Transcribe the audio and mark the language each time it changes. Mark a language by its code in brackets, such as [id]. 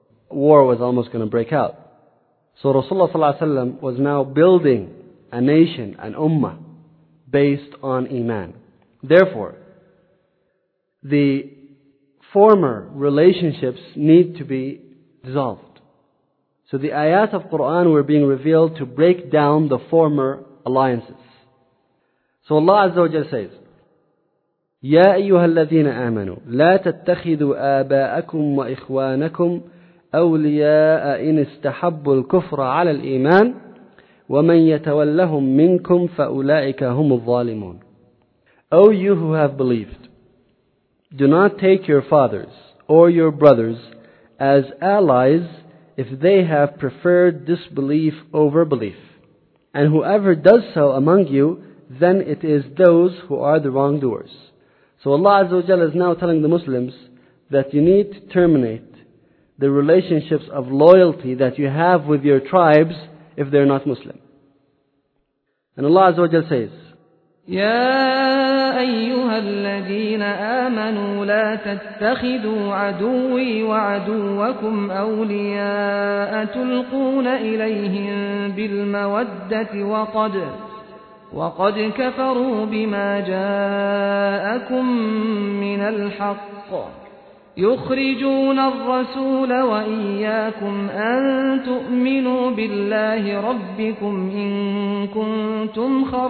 [en] War was almost going to break out. So Rasulullah ﷺ was now building a nation, an ummah, based on iman. Therefore, the former relationships need to be dissolved. So the ayat of Qur'an were being revealed to break down the former alliances. [ar] So Allah Azza wa Jal says, يَا أَيُّهَا الَّذِينَ آمَنُوا لَا تَتَّخِذُوا آبَاءَكُمْ وَإِخْوَانَكُمْ أَوْلِيَاءَ إِنِ اسْتَحَبُّوا الْكُفْرَ عَلَى الْإِيمَانِ وَمَنْ يَتَوَلَّهُمْ مِنْكُمْ فَأُولَٰئِكَ هُمُ الظَّالِمُونَ. [en] O you who have believed, do not take your fathers or your brothers as allies if they have preferred disbelief over belief. And whoever does so among you, then it is those who are the wrongdoers. So Allah Azza wa Jalla is now telling the Muslims that you need to terminate the relationships of loyalty that you have with your tribes if they're not Muslim. And Allah Azza wa Jalla says, [ar] يَا أَيُّهَا الَّذِينَ آمَنُوا لَا تَتَّخِذُوا عَدُوِّي وَعَدُوَّكُمْ أَوْلِيَاءَ تُلْقُونَ إِلَيْهِمْ بِالْمَوَدَّةِ وَقَدْ كَفَرُوا بِمَا جَاءَكُمْ مِنَ الْحَقِّ يخرجون الرسول وإياكم أن تؤمنوا بالله ربكم إن كنتم